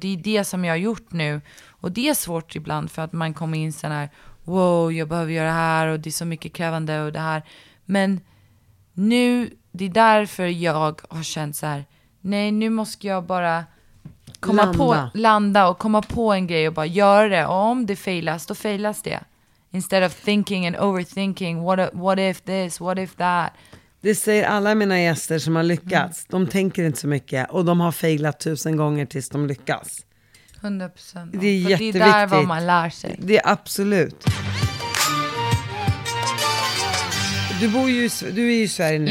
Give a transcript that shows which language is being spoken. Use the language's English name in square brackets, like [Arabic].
[Swedish] Och det är det som jag har gjort nu. Och det är svårt ibland för att man kommer in sån här, wow, jag behöver göra det här och det är så mycket krävande och det här. Men nu, det är därför jag har känt så här, nej, nu måste jag bara komma landa och komma på en grej och bara göra det. Och om det failas, då failas det. [English] Instead of thinking and overthinking, what if this, what if that? [Swedish] Det säger alla mina gäster som har lyckats. Mm. De tänker inte så mycket och de har failat 1000 gånger tills de lyckas. 100%. Det är jätteviktigt. Det är där vad man lär sig. Det är absolut. Du bor ju, du är ju i Sverige nu.